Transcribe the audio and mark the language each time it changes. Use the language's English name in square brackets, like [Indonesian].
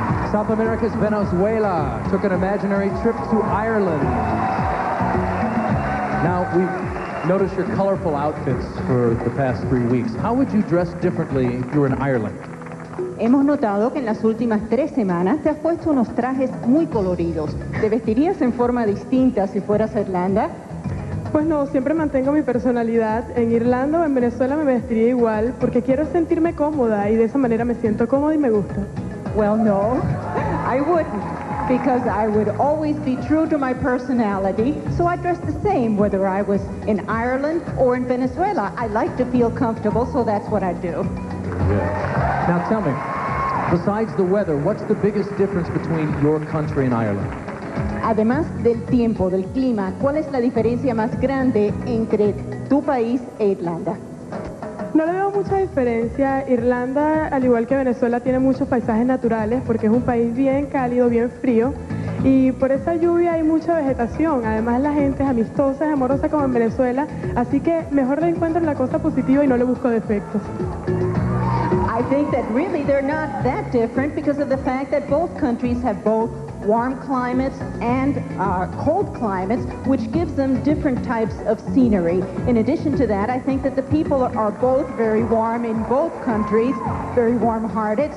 [English] South America's Venezuela took an imaginary trip to Ireland. Now, we've noticed your colorful outfits for the past 3 weeks. How would you dress differently if you were in Ireland? [Spanish] Hemos notado que en las últimas 3 semanas te has puesto unos trajes muy coloridos. ¿Te vestirías en forma distinta si fueras a Irlanda? Pues no, siempre mantengo mi personalidad. En Irlanda o en Venezuela me vestiría igual porque quiero sentirme cómoda y de esa manera me siento cómoda y me gusta. [English] Well, no, I wouldn't, because I would always be true to my personality, so I dress the same whether I was in Ireland or in Venezuela. I like to feel comfortable, so that's what I do. Yes. Now tell me, besides the weather, what's the biggest difference between your country and Ireland? [Spanish] Además del tiempo, del clima, ¿cuál es la diferencia más grande entre tu país e Irlanda? No le veo mucha diferencia. Irlanda, al igual que Venezuela, tiene muchos paisajes naturales porque es un país bien cálido, bien frío. Y por esa lluvia hay mucha vegetación. Además, la gente es amistosa, es amorosa como en Venezuela. Así que mejor le encuentro la cosa positiva y no le busco defectos. [English] I think that really they're not that different because of the fact that both countries have both warm climates and cold climates, which gives them different types of scenery. In addition to that, I think that the people are both very warm in both countries, very warm-hearted.